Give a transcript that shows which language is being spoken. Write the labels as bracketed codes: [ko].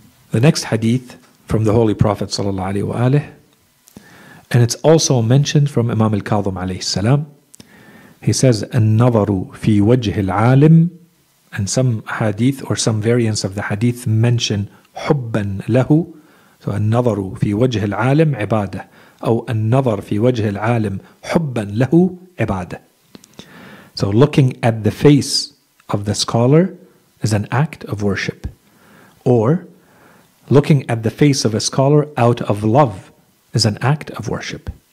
[en] The next hadith from the Holy Prophet sallallahu alaihi wa alihi, and it's also mentioned from Imam al-Kadhim alayhi salam. He says, [ar] النظر في وجه العالم, [en] and some hadith or some variants of the hadith mention [ar] حبا له. So النظر في وجه العالم عبادة. أو النظر في وجه العالم حبا له عبادة. [en] So looking at the face of the scholar is an act of worship. Or looking at the face of a scholar out of love is an act of worship.